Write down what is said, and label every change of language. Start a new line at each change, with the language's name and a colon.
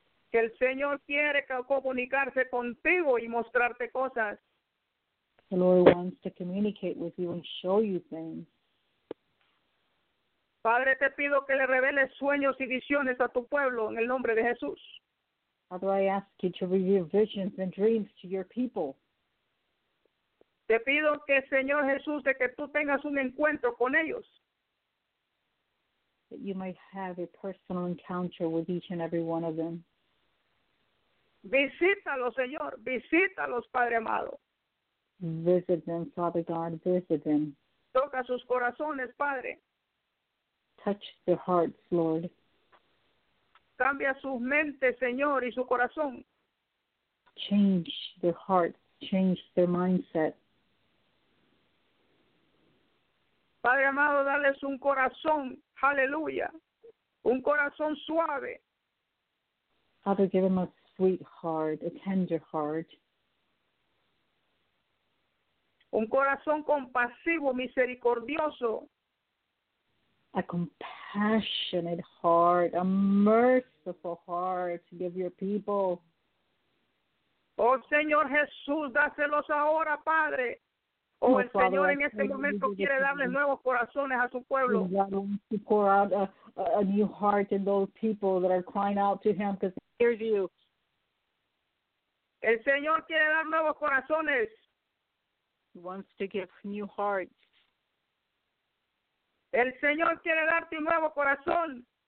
Spanish: Que el Señor quiere comunicarse contigo y mostrarte cosas.
English: The Lord wants to communicate with you and show you things.
Spanish: Padre, te pido que le reveles sueños y visiones a tu pueblo en el nombre de Jesús.
English: Father, I ask you to reveal visions and dreams to your people.
Spanish: Te pido que, Señor Jesús, de que tú tengas un encuentro con ellos.
English: That you might have a personal encounter with each and every one of them.
Spanish: Visítalos, Señor. Visítalos, Padre amado.
English: Visit them, Father God. Visit them.
Spanish: Toca sus corazones, Padre.
English: Touch their hearts, Lord.
Spanish: Cambia sus mentes, Señor, y su corazón.
English: Change their hearts. Change their mindset.
Spanish: Padre amado, dales un corazón. Aleluya. Un corazón suave.
English: Father, give him a sweet heart, a tender heart.
Spanish: Un corazón compasivo, misericordioso.
English: A compassionate heart, a merciful heart to give your people.
Spanish: Oh, Señor Jesús, dáselos ahora, Padre. Oh, no, el
English: Father,
Spanish: Señor en este momento quiere darle nuevos corazones a su pueblo.
English: God wants to pour out a new heart in those people that are crying out to him because he hears you.
Spanish: El Señor quiere dar nuevos corazones.
English: He wants to give new hearts.
Spanish: El Señor quiere darte un nuevo corazón.